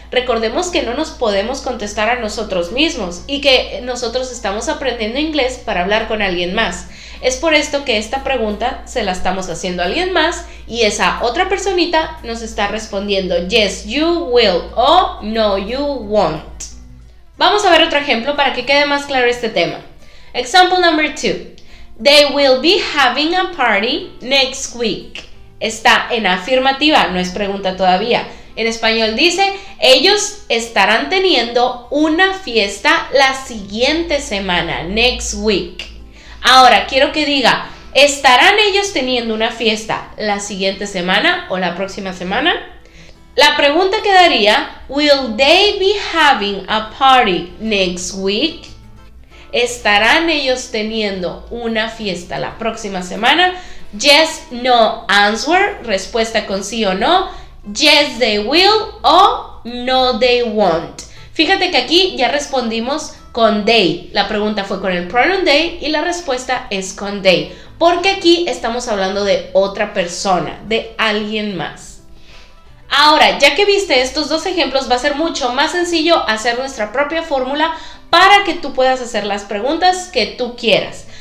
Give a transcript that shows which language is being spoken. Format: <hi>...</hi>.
<es>Recordemos que no nos podemos contestar a nosotros mismos y que nosotros estamos aprendiendo inglés para hablar con alguien más. Es por esto que esta pregunta se la estamos haciendo a alguien más y esa otra personita nos está respondiendo</es> <en>yes, you will</en> <es>o</es> <en>no, you won't.</en> <es>Vamos a ver otro ejemplo para que quede más claro este tema.</es> <en>Example number 2. They will be having a party next week.</en> <es>Está en afirmativa, no es pregunta todavía. En español dice, ellos estarán teniendo una fiesta la siguiente semana, next week. Ahora, quiero que diga, ¿estarán ellos teniendo una fiesta la siguiente semana o la próxima semana? La pregunta quedaría,</es> <en>¿Will they be having a party next week?</en> <es>¿Estarán ellos teniendo una fiesta la próxima semana?</es> <en>Yes, no answer,</en> <es>respuesta con sí o no.</es> <en>Yes, they will o no, they won't.</en> <es>Fíjate que aquí ya respondimos con they. La pregunta fue con el pronoun they y la respuesta es con they. Porque aquí estamos hablando de otra persona, de alguien más. Ahora, ya que viste estos dos ejemplos, va a ser mucho más sencillo hacer nuestra propia fórmula para que tú puedas hacer las preguntas que tú quieras.</es>